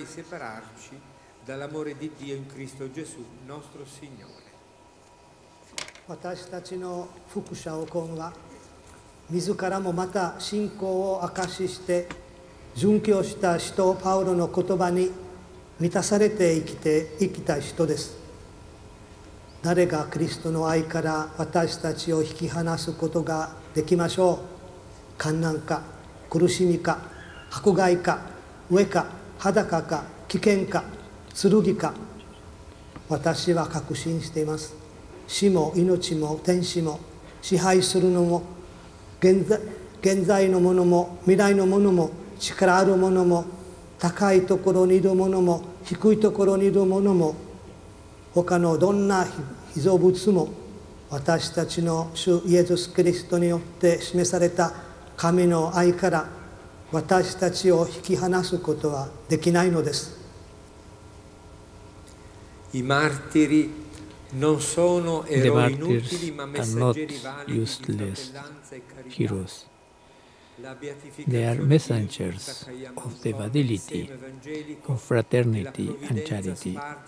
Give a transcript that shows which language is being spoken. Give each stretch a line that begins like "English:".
Italian: Dall'amore di Dio in Cristo Gesù, nostro Signore.
Japanese: 私たちの福者オコンは自らもまた信仰を明かしして、殉教した使徒パウロの言葉に満たされて生きた人です。誰がキリストの愛から私たちを引き離すことができましょう。患難か苦しみか迫害か飢えか裸か危険か剣か、私は確信しています。死も命も天使も支配するのも現在のものも未来のものも、力あるものも高いところにいるものも低いところにいるものも、他のどんな被造物も、私たちの主イエスキリストによって示された神の愛から私たちを引き離すことはできないのです。
Italian: I martiri non sono eroi inutili, ma messaggeri validi di sorveglianza e carità.
English: They are messengers of the validity, of fraternity and charity.